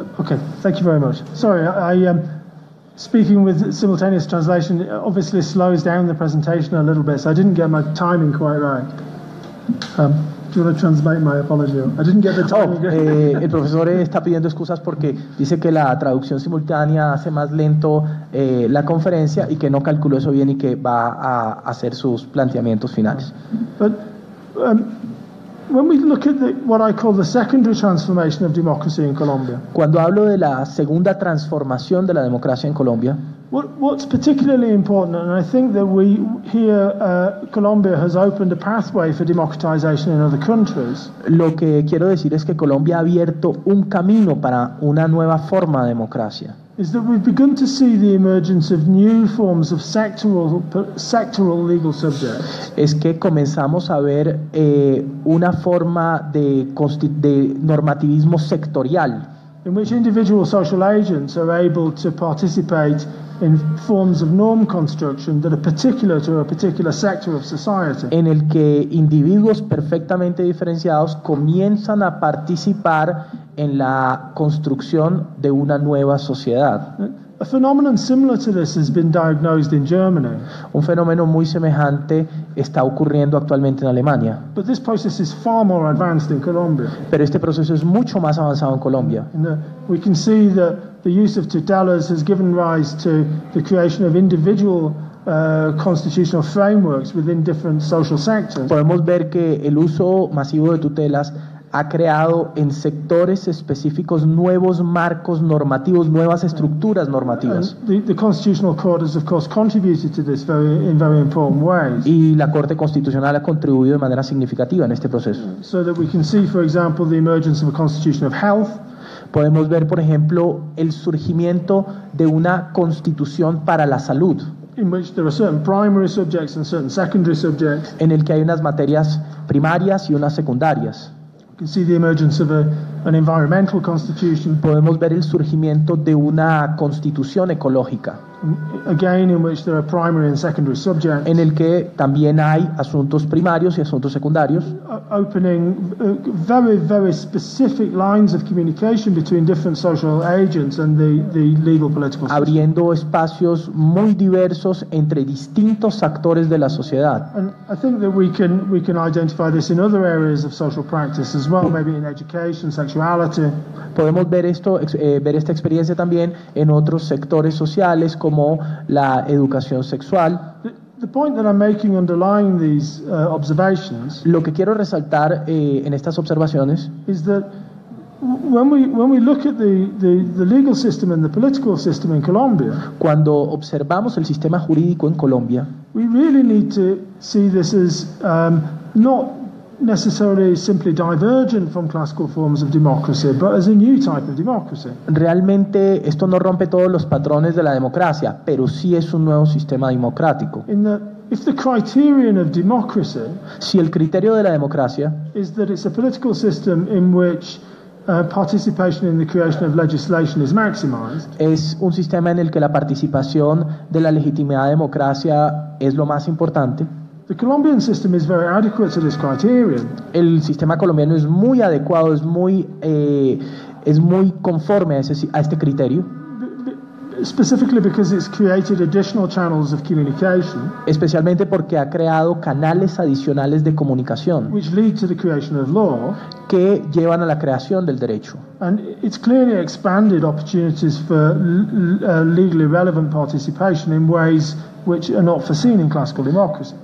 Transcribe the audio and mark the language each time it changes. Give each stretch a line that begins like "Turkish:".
English: Okay, thank you very much. Sorry, I speaking with simultaneous translation obviously slows down the presentation a little bit, so I didn't get my timing quite right. Do you want to translate my apology? I didn't get the time.
Spanish: El profesor está pidiendo excusas porque dice que la traducción simultánea hace más lento la conferencia y que no calculó eso bien y que va a hacer sus planteamientos finales.
English: But when we look at what I call the secondary transformation of democracy in Colombia.
Spanish: Cuando hablo de la segunda transformación de la democracia en Colombia.
English: What's particularly important, and I think that we here Colombia has opened a pathway for democratization in other countries.
Spanish: Lo que quiero decir es que Colombia ha abierto un camino para una nueva forma de democracia.
English: Is that we've begun to see the emergence of new forms of sectoral legal subjects.
Spanish: Es que comenzamos a ver una forma de normativismo sectorial.
English: In which individual social agents are able to participate in forms of norm construction that are particular to a particular sector of society.
Spanish: En el que individuos perfectamente diferenciados comienzan a participar en la construcción de una nueva sociedad.
English: A phenomenon similar to this has been diagnosed in Germany.
Spanish: Un fenómeno muy semejante está ocurriendo actualmente en Alemania.
English: But this process is far more advanced in Colombia.
Spanish: Pero este proceso es mucho más avanzado en Colombia.
English: We can see that the use of tutelas has given rise to the creation of individual constitutional frameworks within different social sectors.
Spanish: Podemos ver que el uso masivo de tutelas ha creado en sectores específicos nuevos marcos normativos, nuevas estructuras normativas.
English: The Constitutional Court has, of course, contributed to this in very important ways.
Spanish: Y la Corte Constitucional ha contribuido de manera significativa en este proceso.
English: So that we can see, for example, the emergence of a constitution of health.
Spanish: Podemos ver, por ejemplo, el surgimiento de una constitución para la salud.
English: In which there are certain primary subjects and certain secondary subjects.
Spanish: En el que hay unas materias primarias y unas secundarias.
English: You can see the emergence of an environmental constitution.
Spanish: Podemos ver el surgimiento de una constitución ecológica.
English: again, in which there are primary and secondary subjects.
Spanish: En el que también hay asuntos primarios y asuntos secundarios.
English: Opening very, very specific lines of communication between different social agents and the legal political system.
Spanish: Abriendo espacios muy diversos entre distintos actores de la sociedad.
English: And I think that we can identify this in other areas of social practice as well, maybe in education, sexuality.
Spanish: Podemos ver esto, ver esta experiencia también en otros sectores sociales como la educación sexual.
English: The point that I'm making underlying these observations,
Spanish: lo que quiero resaltar en estas observaciones,
English: is that when we look at the legal system and the political system in Colombia,
Spanish: cuando observamos el sistema jurídico en Colombia,
English: we really need to see this as not necessarily simply divergent from classical forms of democracy, but as a new type of democracy.
Spanish: Realmente esto no rompe todos los patrones de la democracia, pero sí es un nuevo sistema democrático.
English: In that, if the criterion of democracy,
Spanish: si el criterio de la democracia,
English: is that it's a political system in which participation in the creation of legislation is maximized,
Spanish: es un sistema en el que la participación de la legitimidad de democracia es lo más importante.
English: The Colombian system is very adequate to this criterion.
Spanish: El sistema colombiano es muy adecuado, es muy conforme a este criterio.
English: Specifically because it's created additional channels of communication.
Spanish: Especialmente porque ha creado canales adicionales de comunicación.
English: Which lead to the creation of law.
Spanish: Que llevan a la creación del derecho.
English: And it's clearly expanded opportunities for legally relevant participation in ways which are not foreseen in classical democracy.